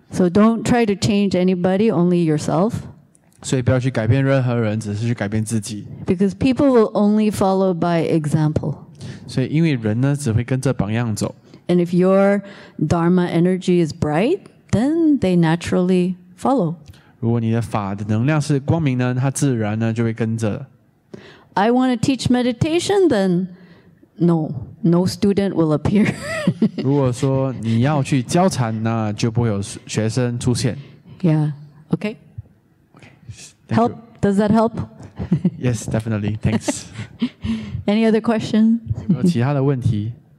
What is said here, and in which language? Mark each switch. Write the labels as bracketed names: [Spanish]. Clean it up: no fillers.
[English] So don't try to change anybody, only yourself. [Chinese] 所以不要去改变任何人，只是去改变自己。 [English] Because people will only follow by example. [Chinese] 所以因为人呢，只会跟着榜样走。 [English] And if your Dharma energy is bright, then they naturally follow. [Chinese] 如果你的法的能量是光明呢，他自然呢就会跟着。 [English] I want to teach meditation, then no student will appear. [Chinese] 如果说你要去教禅，那就不会有学生出现。 [English] Yeah. Okay. Okay. Help. Does that help? Yes, definitely. Thanks. Any other question? [Chinese] 有其他的问题？